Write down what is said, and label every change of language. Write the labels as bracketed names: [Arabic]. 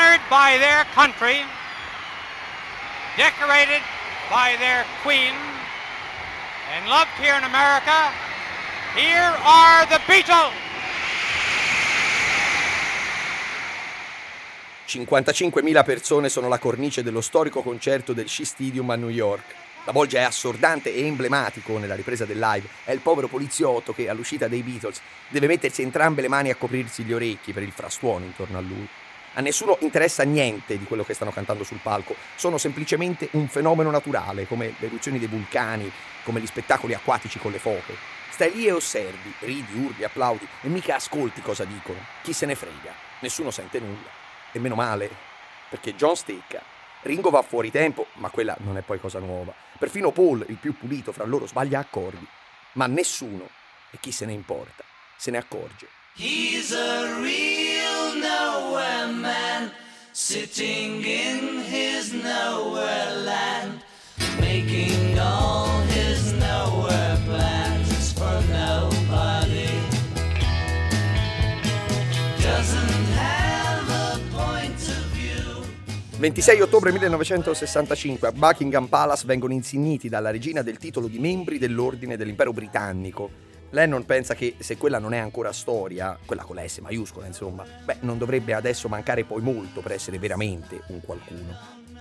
[English] By their country, decorated by their queen, and loved here in America, here are the Beatles! [Italian] 55.000 persone sono la cornice dello storico concerto del Shea Stadium a New York. La bolgia è assordante e emblematico nella ripresa del live. È il povero poliziotto che, all'uscita dei Beatles, deve mettersi entrambe le mani a coprirsi gli orecchi per il frastuono intorno a lui. A nessuno interessa niente di quello che stanno cantando sul palco. Sono semplicemente un fenomeno naturale, come le eruzioni dei vulcani, come gli spettacoli acquatici con le foche. Stai lì e osservi, ridi, urli, applaudi e mica ascolti cosa dicono. Chi se ne frega? Nessuno sente nulla. E meno male, perché John stecca. Ringo va fuori tempo, ma quella non è poi cosa nuova. Perfino Paul, il più pulito fra loro, sbaglia accordi. Ma nessuno, e chi se ne importa, se ne accorge. [English] He's a real nowhere man, sitting in his nowhere land, making all his nowhere plans for nobody. Doesn't have a point of view. [Italian] 26 ottobre 1965, a Buckingham Palace vengono insigniti dalla regina del titolo di membri dell'ordine dell'impero britannico. Lennon pensa che se quella non è ancora storia, quella con la S maiuscola insomma, beh, non dovrebbe adesso mancare poi molto per essere veramente un qualcuno.